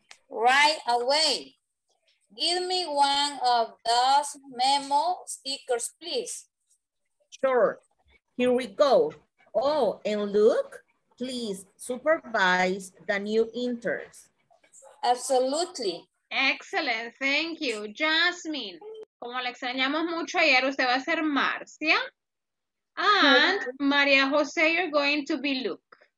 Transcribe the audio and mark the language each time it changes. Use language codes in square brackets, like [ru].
[en] Right away. Give me one of those memo stickers, please. Sure. Here we go. Oh, and look, please supervise the new interns. Absolutely. Excellent. Thank you. [es] Jasmine, como la extrañamos mucho ayer, usted va a ser Marcia. [en] And María José, you're going to be Luke.